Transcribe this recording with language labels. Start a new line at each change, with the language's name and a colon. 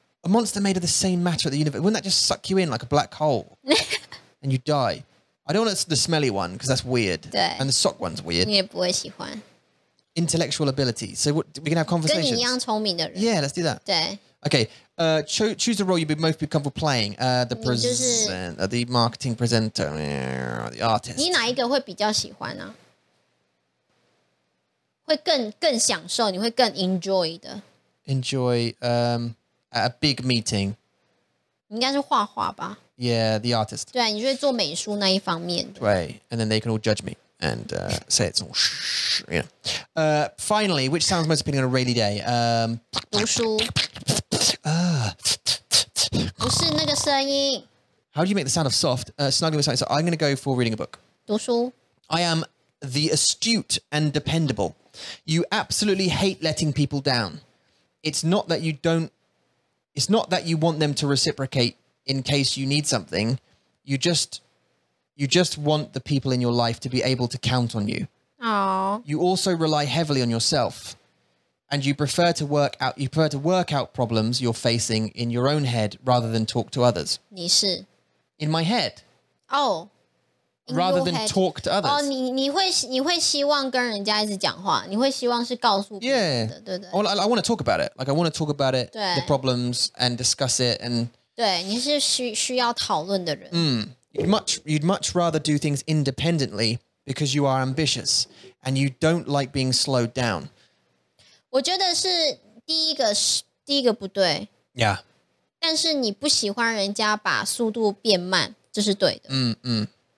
English: A monster made of the same matter at the universe. Wouldn't that just suck you in like a black hole? And you die. I don't want the smelly one because that's weird. And the sock one's weird.
Chinese: 你也不会喜欢。
English: Intellectual ability. So we can have conversations.
Chinese: 跟你一样聪明的人。
English: Yeah, let's do that.
Chinese: 对。
English: Okay, choose the role you'd be most comfortable playing. The marketing presenter, the artist.
Chinese: 你哪一个会比较喜欢啊? 会更享受,你会更 enjoy 的。
English: Enjoy, at a big meeting.
Chinese: 应该是画画吧?
English: Yeah, the artist.
Chinese: 对啊,你就会做美术那一方面的。
English: Right, and then they can all judge me and say it's all shh, you know. Finally, which sounds most appealing on a rainy day?
Chinese: 读书。不是那个声音。
English: How do you make the sound of soft? Snuggling beside yourself. So I'm going to go for reading a book.
Chinese: 读书。
English: I am the astute and dependable. You absolutely hate letting people down. It's not that you want them to reciprocate in case you need something. You just want the people in your life to be able to count on you. Aww. You also rely heavily on yourself. And you prefer to work out problems you're facing in your own head rather than talk to others.
Chinese: 你是。
English: In my head. Oh. Rather than talk to others.
Chinese: Oh, 你会希望跟人家一直讲话，你会希望是告诉别人的，对不对？
English: Well, I want to talk about it. Like, I want to talk about it, the problems, and discuss it. And
Chinese: 对，你是需要讨论的人。
English: You'd much rather do things independently because you are ambitious and you don't like being slowed down.
Chinese: 我觉得是第一个不对。
English: Yeah.
Chinese: 但是你不喜欢人家把速度变慢，这是对的。